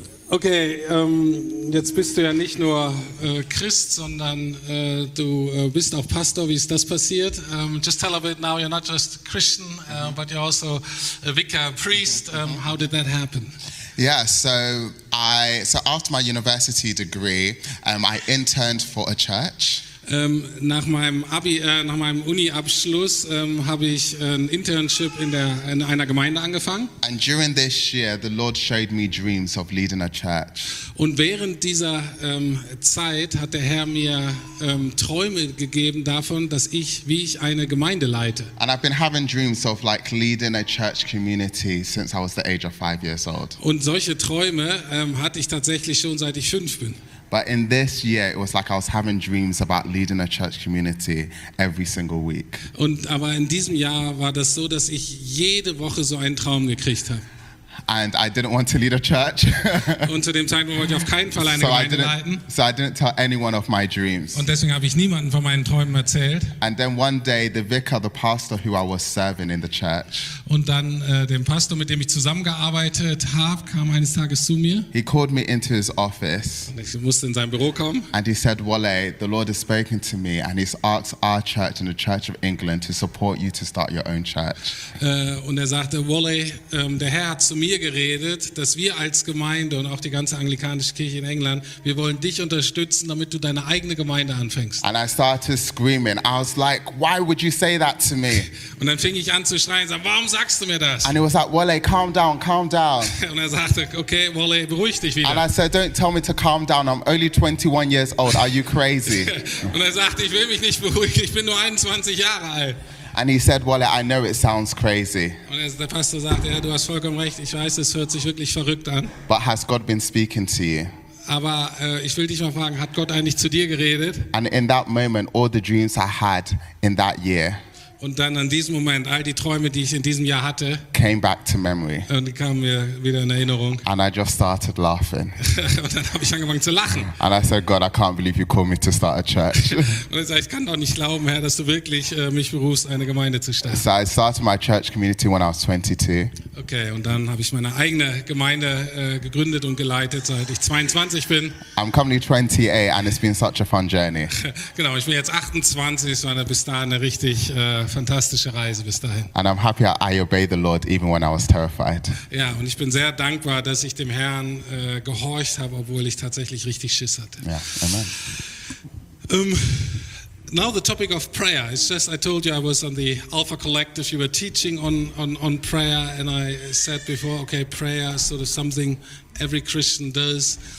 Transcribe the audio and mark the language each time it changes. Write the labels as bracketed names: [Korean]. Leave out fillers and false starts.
[German] Okay, jetzt bist du ja nicht nur Christ, sondern du bist auch Pastor. Wie ist das passiert? [English] Just tell a bit now, you're not just Christian, but you're also a vicar, a priest. How did that happen? Yeah, so after my university degree, I interned for a church. [German] Nach meinem Uni-Abschluss habe ich ein Internship in einer Gemeinde angefangen. [English] And during this year, the Lord showed me dreams of leading a church. [German] Und während dieser Zeit hat der Herr mir Träume gegeben davon, wie ich eine Gemeinde leite. [English] And I've been having dreams of like leading a church community since I was the age of 5 years old. [German] Und solche Träume hatte ich tatsächlich schon seit ich 5 bin. [English] But in this year, it was like I was having dreams about leading a church community every single week. [German] Und aber in diesem Jahr war das so, dass ich jede Woche so einen Traum gekriegt habe. [English] And I didn't want to lead a church. [German] Und zu dem Zeitpunkt wollte ich auf keinen Fall eine Gemeinde leiten. [English] So I didn't tell anyone of my dreams. [German] Und deswegen habe ich niemanden von meinen Träumen erzählt. [English] And then one day, the vicar, the pastor who I was serving in the church. [German] Und dann dem Pastor, mit dem ich zusammengearbeitet habe, kam eines Tages zu mir. [English] He called me into his office. [German] Und ich musste in sein Büro kommen. [English] And he said, Wole, the Lord has spoken to me and he's asked our church and the Church of England to support you to start your own church. [German] Und er sagte, Wole, der Herr hat zu mir geredet, dass wir als Gemeinde und auch die ganze anglikanische Kirche in England, wir wollen dich unterstützen, damit du deine eigene Gemeinde anfängst. [English] And I started screaming. I was like, why would you say that to me? [German] Und dann fing ich an zu schreien, sag, warum sagst du mir das? [English] And he was like, Wole, calm down, calm down. [German] Und er sagte, okay, Wole, beruhig dich wieder. [English] And I said, don't tell me to calm down. I'm only 21 years old. Are you crazy? [German] Und er sagte, ich will mich nicht beruhigen. Ich bin nur 21 Jahre alt. [English] And he said, Wole, I know it sounds crazy. [German] Und der Pastor sagte, ja, du hast vollkommen recht. Ich weiß, es hört sich wirklich verrückt an. [English] But has God been speaking to you? [German] Aber ich will dich mal fragen, hat Gott eigentlich zu dir geredet? [English] And in that moment, all the dreams I had in that year. [German] Und dann an diesem Moment all die Träume, die ich in diesem Jahr hatte, [English] came back to memory. [German] Und die kamen mir wieder in Erinnerung. [English] And I just started laughing. [German] Und dann habe ich angefangen zu lachen. [English] And I said, God, I can't believe you called me to start a church. [German] Und ich sage, ich kann doch nicht glauben, Herr, dass du wirklich mich berufst, eine Gemeinde zu starten. [English] So I started my church community when I was 22. [German] Okay, und dann habe ich meine eigene Gemeinde gegründet und geleitet, seit ich 22 bin. [English] I'm currently 28 and it's been such a fun journey. [German] Genau, ich bin jetzt 28, es war bis dahin eine richtig fantastische Reise bis dahin. [English] And I'm happy I obey the Lord even when I was terrified. [German] Ja, und ich bin sehr dankbar, dass ich dem Herrn gehorcht habe, obwohl ich tatsächlich richtig Schiss hatte. Ja, amen. [English] Now the topic of prayer. It's just I told you I was on the Alpha Collective. You were teaching on prayer, and I said before, okay, prayer is sort of something every Christian does.